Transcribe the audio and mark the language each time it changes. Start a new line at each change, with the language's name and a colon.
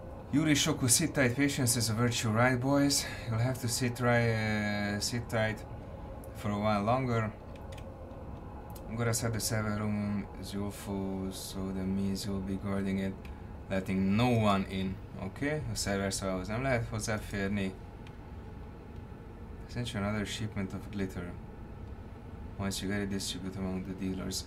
English: Yuri Shoku, sit tight, patience is a virtue, right boys? You'll have to sit tight for a while longer. I'm gonna set the server room as your foe, so that means you'll be guarding it, letting no one in.
Hungarian: Okay, a server szavához nem lehet hozzáférni.
English: Sent you another shipment of glitter. Once you get it distributed among the dealers.